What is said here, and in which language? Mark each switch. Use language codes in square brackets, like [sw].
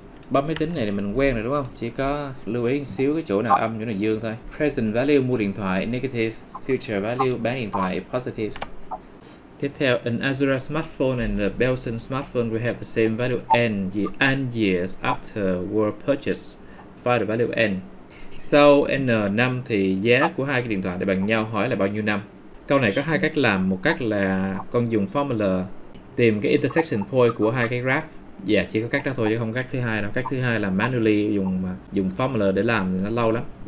[vi] Bấm máy tính này thì mình quen rồi đúng không? Chỉ có lưu ý một xíu cái chỗ nào âm, chỗ nào dương thôi. Present value mua điện thoại negative, future value bán điện thoại positive. Tiếp theo, [en] an Azura smartphone and a Belson smartphone will have the same value n and years after were purchased. Find the value n. [vi] Sau n năm thì giá của hai cái điện thoại để bằng nhau, hỏi là bao nhiêu năm. Câu này có hai cách làm. Một cách là con dùng formula tìm cái intersection point của hai cái graph. Dạ, chỉ có cách đó thôi chứ không cách thứ hai đâu. Cách thứ hai là manually dùng formula để làm thì nó lâu lắm.